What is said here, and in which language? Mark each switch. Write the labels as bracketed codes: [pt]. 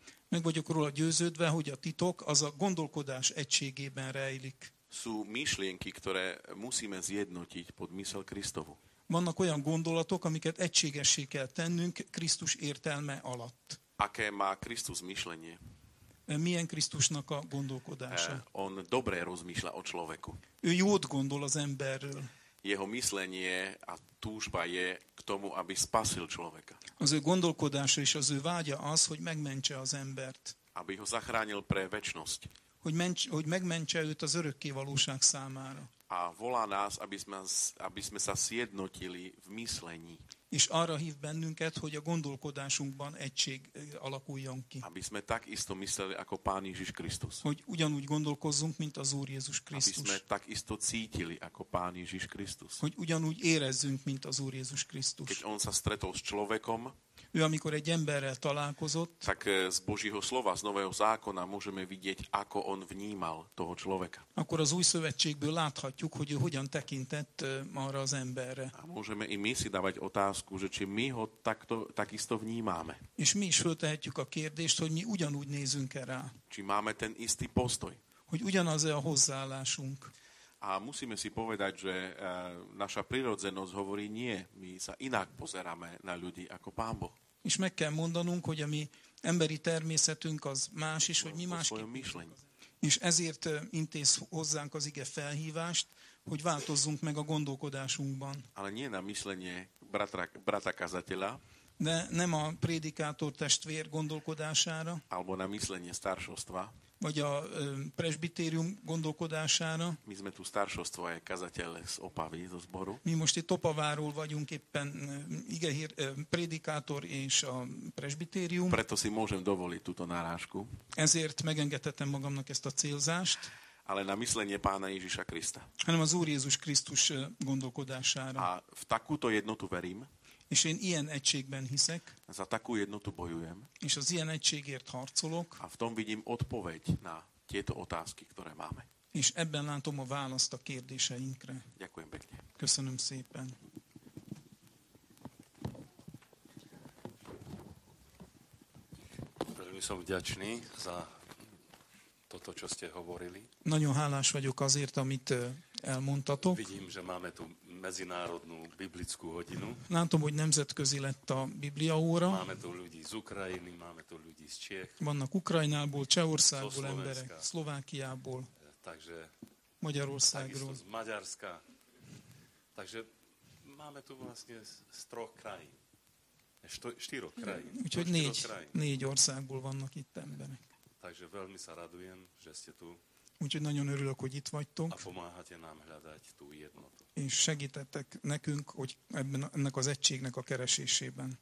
[hu] Meg vagyok róla győződve, hogy a titok az a gondolkodás egységében rejlik. [sk] Sú myšlienky, ktoré musíme zjednotiť pod mysel Kristovu. [hu] Vannak olyan gondolatok, amiket egységessé kell tennünk Krisztus értelme alatt. [sk] Aké má Krisztus myšlenie? [hu] Milyen Krisztusnak a gondolkodása? [sk] On dobre rozmýšľa o človeku. [hu] Ő jót gondol az emberről. [sk] Jeho myslenie a túžba je k tomu, aby spasil človeka. [hu] Az ő gondolkodása és az ő vágya az, hogy megmentse az embert. [sk] Aby ho zachránil pre večnosť. [hu] Hogy megmentse őt az örökké valóság számára. [sk] A volá nás, aby sme sa zjednotili v myslení. [hu] És arra hív bennünket, hogy a gondolkodásunkban egység alakuljon ki. [sk] Aby sme takisto mysleli ako Pán Ježiš Krisztus. [hu] Hogy ugyanúgy gondolkozzunk, mint az Úr Jézus Krisztus. [sk] Aby sme takisto cítili ako Pán Ježiš Krisztus. [hu] Hogy ugyanúgy érezzünk, mint az Úr Jézus Krisztus. [sk] Keď on sa stretol s človekom, [hu] ő amikor egy emberrel találkozott, [sk] tak z Božího slova, z Nového zákona môžeme vidieť, ako on vnímal toho človeka. [hu] Akkor az új szövetségből láthatjuk, hogy ő hogyan tekintett arra az emberre. [sk] A môžeme i my si dávať otázku, že či my ho takisto vnímame. [hu] És mi is föltehetjük a kérdést, hogy mi ugyanúgy nézünk rá. [sk] Či máme ten istý postoj. [hu] Hogy ugyanaz-e a hozzáállásunk. [sk] A musíme si povedať, že naša prirodzenosť hovorí nie. My sa inak pozeráme na ľudí ako Pán Boh. [hu] És meg kell mondanunk, hogy a mi emberi természetünk az más is, hogy mi másképp. És ezért intéz hozzánk az ige felhívást, hogy változzunk meg a gondolkodásunkban. [sk] Ale nie na myslenie brata kazateľa. [hu] Nem a prédikátor testvér gondolkodására. [sk] Alebo na myslenie staršovstva. [hu] vagy a presbitérium gondolkodására. [sk] Mi sme tu staršostvo aj kazateľ z Opavy, zo zboru. [hu] Mi most itt Opaváról vagyunk éppen igehír predikátor és a presbitérium. [sk] Preto si môžem dovoliť túto narážku. [hu] Ezért megengedhetem magamnak ezt a célzást. [sk] Ale na myslenie Pána Ježiša Krista. [hu] Hanem az Úr Jézus Krisztus gondolkodására. [sk] A v takúto jednotu verím. [hu] És én ilyen egységben hiszek. [sk] Za takú jednotu bojujem. [hu] És az ilyen egységért harcolok. [sk] A v tom vidím odpoveď na tieto otázky, ktoré máme. [hu] És ebben látom a választ a kérdéseinkre. [sk] Ďakujem pekne. [hu] Köszönöm szépen. [sk] Veľmi som vďačný za toto, čo ste hovorili. [hu] Nagyon hálás vagyok azért, amit elmondtatok. [sk] Vidím, že máme tu medzinárodnú biblickú hodinu. [hu] Látom, hogy nemzetközi lett a Biblia óra. [sk] Máme tu ľudí z Ukrajiny, máme tu ľudí z Čech. [hu] Vannak Ukrajnából, Csehországból emberek, Szlovákiából. [sk] Takže [hu] Magyarországról. [sk] Takisto z Maďarska. Takže máme tu vlastne z troch krajín. Štyroch krajín. [hu] Úgyhogy négy országból vannak itt emberek. [sk] Takže veľmi sa radujem, že ste tu. [hu] Úgyhogy nagyon örülök, hogy itt vagytok. [sk] A pomáhate nám hľadať tú jednotu. [hu] És segítettek nekünk, hogy ebben, ennek az egységnek a keresésében.